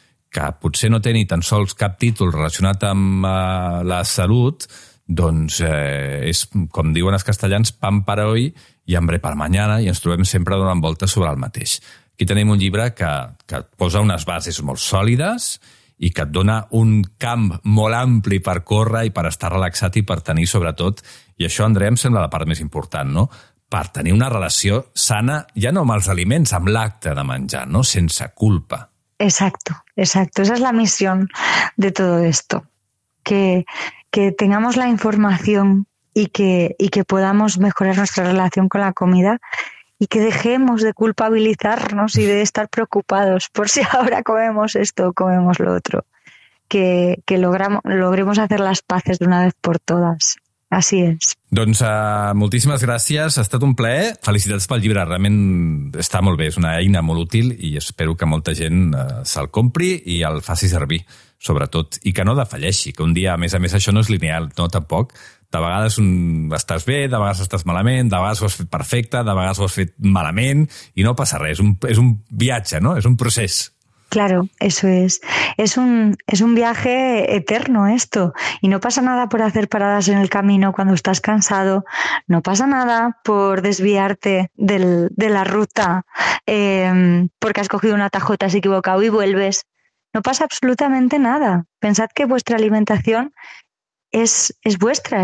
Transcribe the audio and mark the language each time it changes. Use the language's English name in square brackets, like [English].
[Catalan] que potser no té ni tan sols cap títol relacionat amb la salut, doncs és, com diuen els castellans, [Spanish] pan para hoy y hambre para mañana, [Catalan] i ens trobem sempre donant voltes sobre el mateix. Aquí tenim un llibre que posa unes bases molt sòlides i que et dona un camp molt ampli per córrer i per estar relaxat i per tenir, sobretot, i això, Andrea, em sembla la part més important, no? Per tenir una relació sana, ja no amb els aliments, amb l'acte de menjar, no? Sense culpa. [Spanish] Exacto, exacto. Esa es la misión de todo esto. Que tengamos la información y que podamos mejorar nuestra relación con la comida y que dejemos de culpabilizarnos y de estar preocupados por si ahora comemos esto o comemos lo otro. Que logremos hacer las paces de una vez por todas. Así es. [Catalan] Doncs moltíssimes gràcies, ha estat un plaer. Felicitats pel llibre, realment està molt bé, és una eina molt útil i espero que molta gent se'l compri i el faci servir, sobretot, i que no defalleixi, que un dia, a més, això no és lineal, no, tampoc. De vegades estàs bé, de vegades estàs malament, de vegades ho has fet perfecte, de vegades ho has fet malament i no passa res, és un viatge, no? És un procés. [Spanish] Claro, eso es. Es un viaje eterno esto. Y no pasa nada por hacer paradas en el camino cuando estás cansado. No pasa nada por desviarte de la ruta porque has cogido un atajo, te has equivocado y vuelves. No pasa absolutamente nada. Pensad que vuestra alimentación es vuestra.